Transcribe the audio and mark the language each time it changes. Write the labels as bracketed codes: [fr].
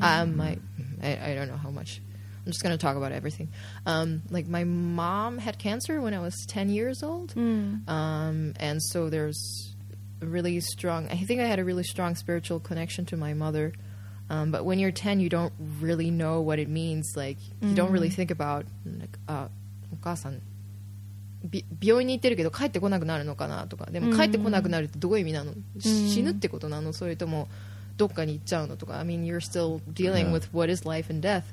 [en] I don't know how much. I'm just going to talk about everything. Like, my mom had cancer when I was 10 years old. And so there's really strong... I think I had a really strong spiritual connection to my mother. But when you're 10, you don't really know what it means. Like, you don't really think about... [ja] お母さん, 病院に行ってるけど帰ってこなくなるのかなとか でも帰ってこなくなるってどういう意味なの? 死ぬってことなの?それとも... [en] I mean, you're still dealing with what is life and death.